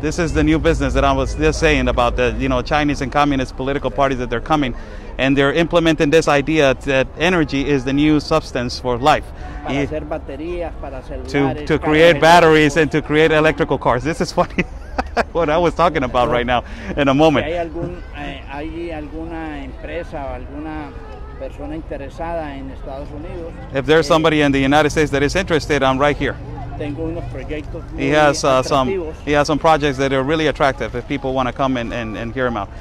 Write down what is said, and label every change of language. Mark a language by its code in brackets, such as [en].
[en] This is the new business that I was just saying about the, you know, Chinese and communist political parties that they're coming, and they're implementing this idea that energy is the new substance for life. [es] Para hacer baterías, para celulares, [en] to create batteries and to create electrical cars. This is funny. What I was talking about right now in a moment. [es] Si hay algún, hay alguna empresa o alguna persona interesada en Estados Unidos. [en] If there's somebody in the United States that is interested, I'm right here. [es] Tengo unos proyectos muy [en] he has some projects that are really attractive if people want to come and hear him out.